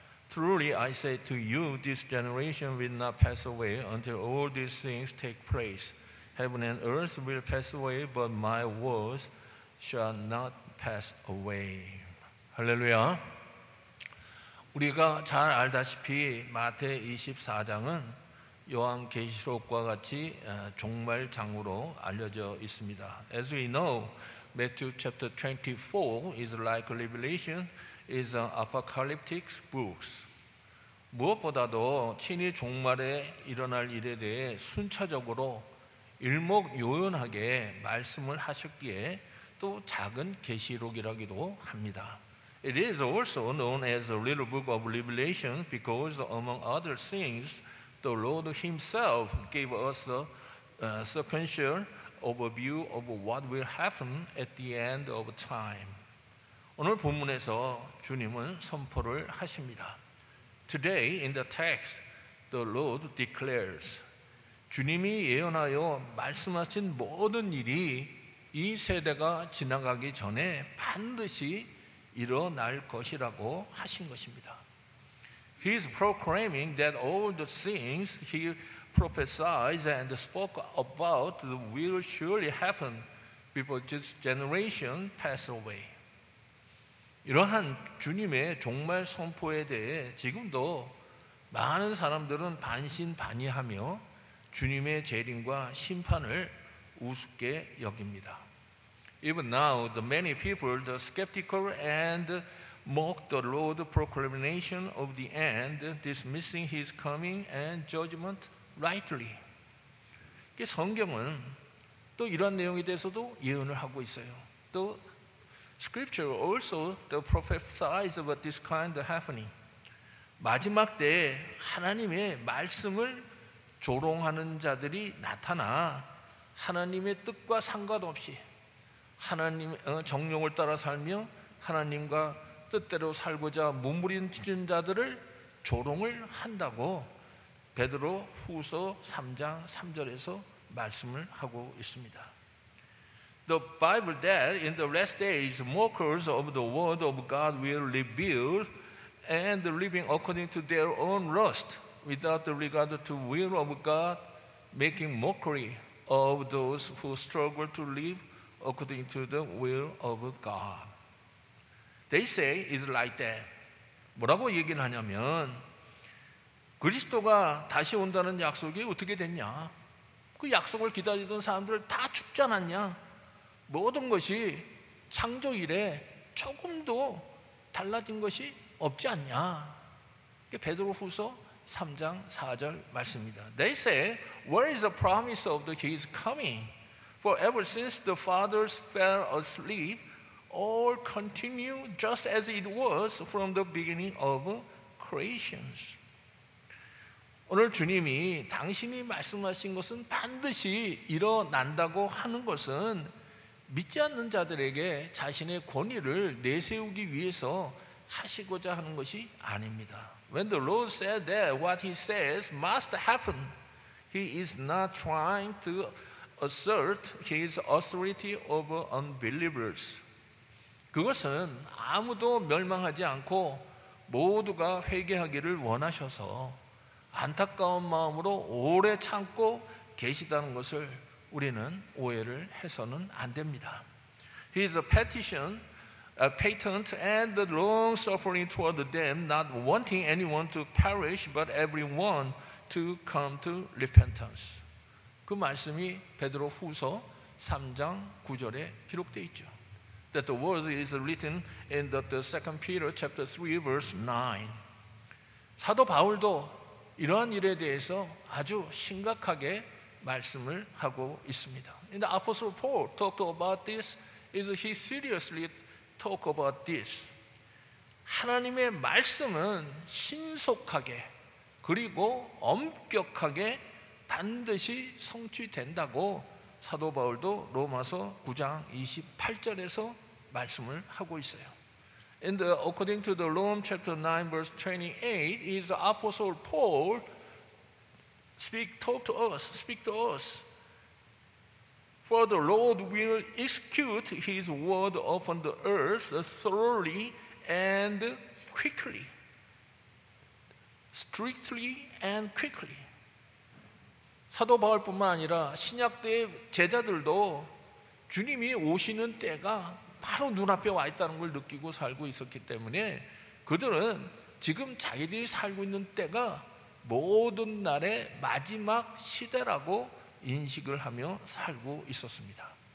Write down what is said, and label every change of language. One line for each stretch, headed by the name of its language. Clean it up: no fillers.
English: Truly I say to you, this generation will not pass away until all these things take place. Heaven and earth will pass away, but my words shall not pass away.
Korean: 할렐루야. 우리가 잘 알다시피 마태 24장은 요한계시록과 같이 종말장으로 알려져 있습니다.
English: As we know, Matthew chapter 24 is like Revelation, is an apocalyptic book.
Korean: 무엇보다도 친히 종말에 일어날 일에 대해 순차적으로 일목요연하게 말씀을 하셨기에 또 작은 계시록이라기도 합니다.
English: It is also known as the little book of Revelation because among other things, the Lord himself gave us a sequential overview of what will happen at the end of time.
Korean: 오늘 본문에서 주님은 선포를 하십니다.
English: Today in the text, the Lord declares,
Korean: 주님이 예언하여 말씀하신 모든 일이 이 세대가 지나가기 전에 반드시 일어날 것이라고 하신 것입니다.
English: He is proclaiming that all the things he prophesied and spoke about will surely happen before this generation pass away.
Korean: 이러한 주님의 종말 선포에 대해 지금도 많은 사람들은 반신반의하며 주님의 재림과 심판을 우습게 여깁니다.
English: Even now, the many people, the skeptical and mock the Lord's proclamation of the end, dismissing his coming and judgment rightly.
Korean: 성경은 또 이런 내용에 대해서도 예언을 하고 있어요.
English: The scripture also prophesies about this kind of happening.
Korean: 마지막 때에 하나님의 말씀을 조롱하는 자들이 나타나 하나님의 뜻과 상관없이 하나님 정령을 따라 살며 하나님과 뜻대로 살고자 몸부림치는 자들을 조롱을 한다고 베드로 후서 3장 3절에서 말씀을 하고 있습니다.
English: The Bible that in the last days mockers of the word of God will rebuild and living according to their own lust without regard to will of God making mockery of those who struggle to live according to the will of God. They say it's like that.
Korean: 뭐라고 얘기를 하냐면 그리스도가 다시 온다는 약속이 어떻게 됐냐? 그 약속을 기다리던 사람들 다 죽지 않았냐? 모든 것이 창조 이래 조금도 달라진 것이 없지 않냐? 베드로 후서 3장 4절 말씀입니다.
English: They say, where is the promise of his coming? For ever since the fathers fell asleep, all continue just as it was from the beginning of creations.
Korean: 오늘 주님이 당신이 말씀하신 것은 반드시 일어난다고 하는 것은 믿지 않는 자들에게 자신의 권위를 내세우기 위해서 하시고자 하는 것이 아닙니다.
English: When the Lord said that what he says must happen, he is not trying to assert his authority over unbelievers.
Korean: 그것은 아무도 멸망하지 않고 모두가 회개하기를 원하셔서 안타까운 마음으로 오래 참고 계시다는 것을 우리는 오해를 해서는 안 됩니다.
English: He is a petition, a patient, and a long-suffering toward them, not wanting anyone to perish, but everyone to come to repentance.
Korean: 그 말씀이 베드로 후서 3장 9절에 기록되어 있죠.
English: That the word is written in the second Peter chapter 3 verse 9.
Korean: 사도 바울도 이러한 일에 대해서 아주 심각하게 말씀을 하고 있습니다.
English: In the Apostle Paul talked about this. Is he seriously talk about this?
Korean: 하나님의 말씀은 신속하게 그리고 엄격하게 반드시 성취된다고 사도 바울도 로마서 9장 28절에서 말씀을 하고 있어요.
English: And according to the Romans chapter 9 verse 28 is the apostle Paul speak to us. For the Lord will execute his word upon the earth thoroughly and quickly. Strictly and quickly.
Korean: 사도 바울뿐만 아니라 신약대 제자들도 주님이 오시는 때가 바로 눈앞에 와 있다는 걸 느끼고 살고 있었기 때문에 그들은 지금 자기들이 살고 있는 때가 모든 날의 마지막 시대라고 인식을 하며 살고 있었습니다.